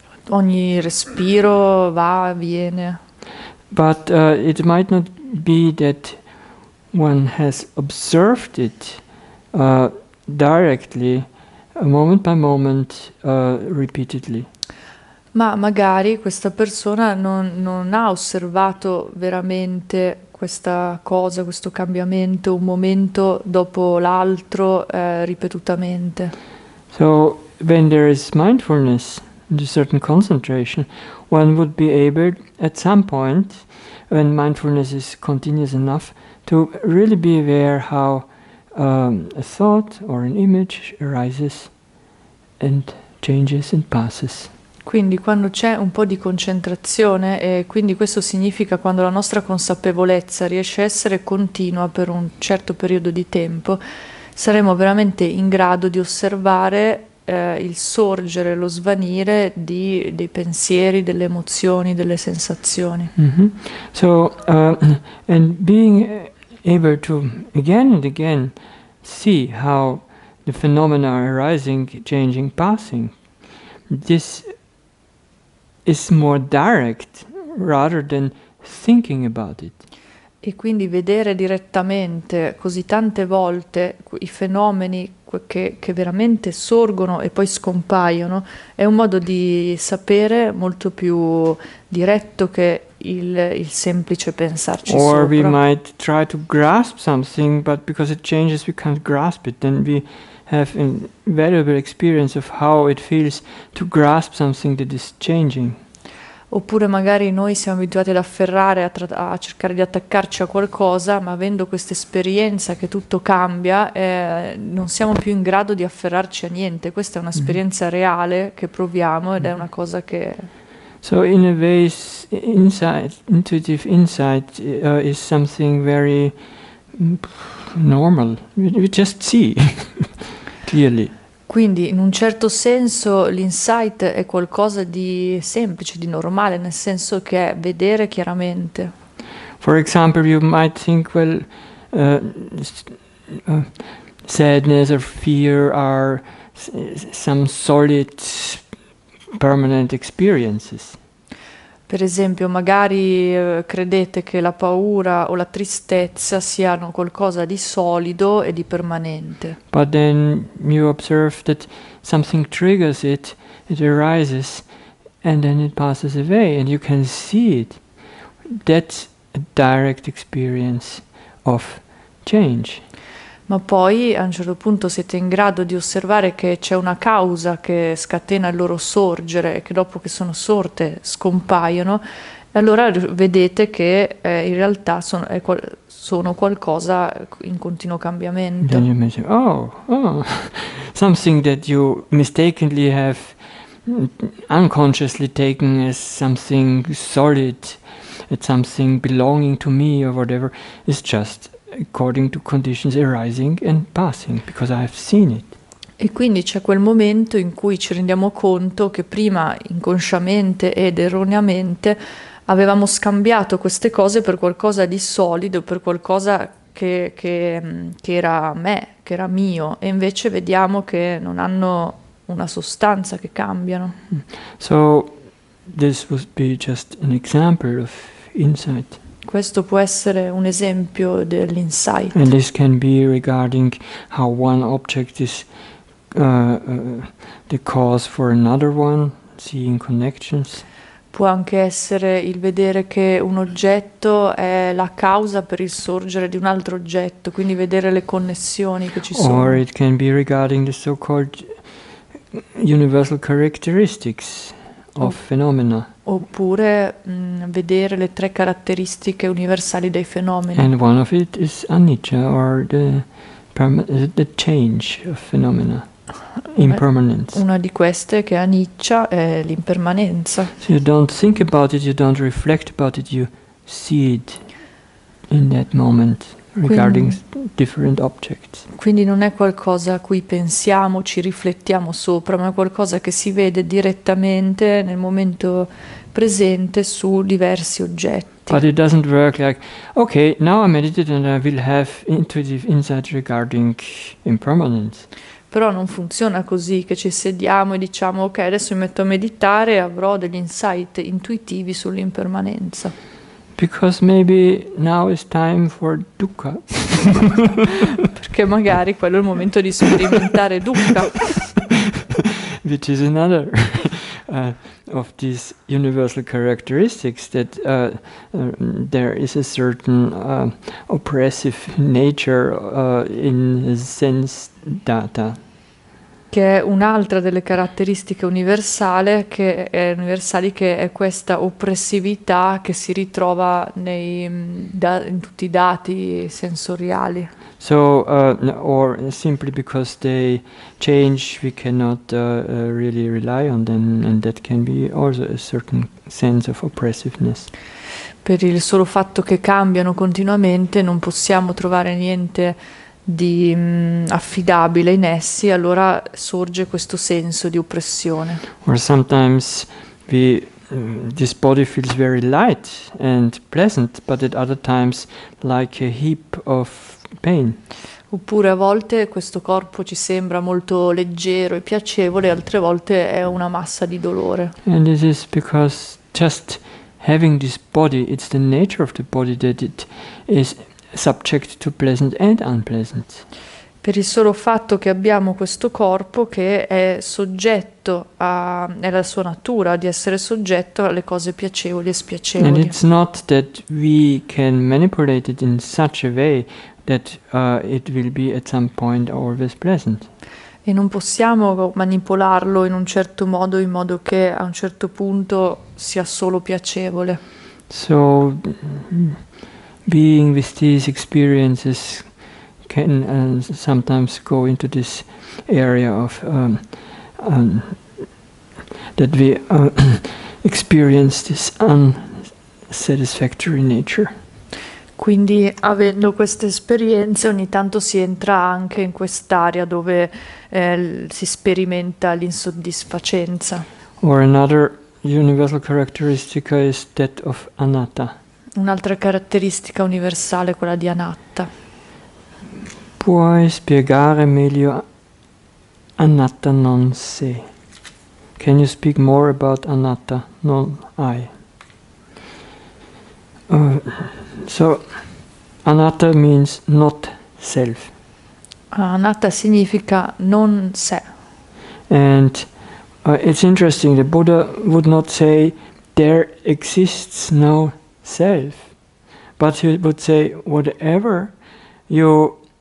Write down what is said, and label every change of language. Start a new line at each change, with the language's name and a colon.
Italian: Ogni respiro va, viene.
English: But it might not be that one has observed it directly, moment by moment, repeatedly.
Italian: Ma magari questa persona non ha osservato veramente questa cosa, questo cambiamento, un momento dopo l'altro, ripetutamente.
English: So, when there is mindfulness and a certain concentration, one would be able, at some point, when mindfulness is continuous enough, to really be aware how a thought or an image arises and changes and passes.
Italian: Quindi quando c'è un po' di concentrazione, e quindi questo significa quando la nostra consapevolezza riesce a essere continua per un certo periodo di tempo, saremo veramente in grado di osservare, il sorgere, lo svanire dei pensieri, delle emozioni, delle sensazioni.
English: So, and being able to again and again see how the phenomena are arising, changing, passing, this is more direct rather than thinking about it.
Italian: E quindi vedere direttamente così tante volte i fenomeni che veramente sorgono e poi scompaiono è un modo di sapere molto più diretto che il semplice pensarci
English: Or we
Italian: sopra.
English: might try to grasp something, but because it changes, we can't grasp it. Then we have a valuable experience of how it feels to grasp something that is changing.
Italian: Oppure magari noi siamo abituati ad afferrare, a cercare di attaccarci a qualcosa, ma avendo questa esperienza che tutto cambia, non siamo più in grado di afferrarci a niente. Questa è un'esperienza reale che proviamo ed è una cosa che.
English: So in a way, insight, intuitive insight, is something very normal. We just see clearly.
Italian: Quindi, in un certo senso, l'insight è qualcosa di semplice, di normale, nel senso che è vedere chiaramente.
English: For example, you might think, well, sadness or fear are some solid permanent experiences.
Italian: Per esempio, magari credete che la paura o la tristezza siano qualcosa di solido e di permanente.
English: But then you observe that something triggers it, it arises, and then it passes away, and you can see it. That's a direct experience of change.
Italian: Ma poi a un certo punto siete in grado di osservare che c'è una causa che scatena il loro sorgere, che dopo che sono sorte scompaiono, e allora vedete che in realtà sono qualcosa in continuo
English: Then you
Italian: cambiamento.
English: mentioned, oh, something that you mistakenly have unconsciously taken as something solid, as something belonging to me or whatever, is just according to conditions arising and passing, because I have seen it.
Italian: E quindi c'è quel momento in cui ci rendiamo conto che prima inconsciamente ed erroneamente avevamo scambiato queste cose per qualcosa di solido, per qualcosa che era me, che era mio, e invece vediamo che non hanno una sostanza, che cambiano.
English: So, this would be just an example of insight.
Italian: Questo può essere un esempio
English: And
Italian: dell'insight.
English: this can be regarding how one object is the cause for another one, seeing connections.
Italian: Può anche essere il vedere che un oggetto è la causa per il sorgere di un altro oggetto, quindi vedere le connessioni che ci
English: Or
Italian: sono.
English: it can be regarding the so-called universal characteristics of phenomena.
Italian: Oppure vedere le tre caratteristiche universali dei fenomeni.
English: And one of it is anicca, or the change of phenomena, impermanence.
Italian: Una di queste che è aniccia è l'impermanenza.
English: So you don't think about it, you don't reflect about it, you see it in that moment regarding
Italian: Quindi
English: different objects.
Italian: non è qualcosa a cui pensiamo, ci riflettiamo sopra, ma è qualcosa che si vede direttamente nel momento presente su diversi
English: But
Italian: oggetti.
English: it doesn't work like, okay, now I meditate and I will have intuitive insight regarding impermanence.
Italian: Però non funziona così, che ci sediamo e diciamo, ok, adesso mi metto a meditare e avrò degli insight intuitivi sull'impermanenza.
English: Because maybe now is time for dukkha.
Italian: Perché magari quello è il momento di sperimentare dukkha.
English: Which is another of these universal characteristics that there is a certain oppressive nature in sense data.
Italian: Che è un'altra delle caratteristiche universali, che è questa oppressività che si ritrova in tutti i dati sensoriali.
English: So, or simply because they change, we cannot really rely on them, and that can be also a certain sense of oppressiveness.
Italian: Per il solo fatto che cambiano continuamente, non possiamo trovare niente di affidabile in essi, allora sorge questo senso di oppressione.
English: Or sometimes this body feels very light and pleasant, but at other times like a heap of pain.
Italian: Oppure a volte questo corpo ci sembra molto leggero e piacevole, altre volte è una massa di dolore.
English: And this is because just having this body, it's the nature of the body that it is subject to pleasant and unpleasant.
Italian: Per il solo fatto che abbiamo questo corpo che è soggetto è la sua natura di essere soggetto alle cose piacevoli e
English: And
Italian: spiacevoli.
English: it's not that we can manipulate it in such a way that it will be at some point always pleasant.
Italian: E non possiamo manipolarlo in un certo modo, in modo che a un certo punto sia solo piacevole.
English: So, being with these experiences can sometimes go into this area of that we experience this unsatisfactory nature.
Italian: Quindi, avendo queste esperienze, ogni tanto si entra anche in quest'area dove si sperimenta l'insoddisfacenza.
English: Or another universal characteristic is that of anatta.
Italian: Un'altra caratteristica universale è quella di anatta. Puoi spiegare meglio anatta non sé?
English: Can you speak more about anatta non I? So, anatta means not self.
Italian: Anatta significa non sé.
English: And it's interesting, the Buddha would not say there exists no self, but he would say whatever you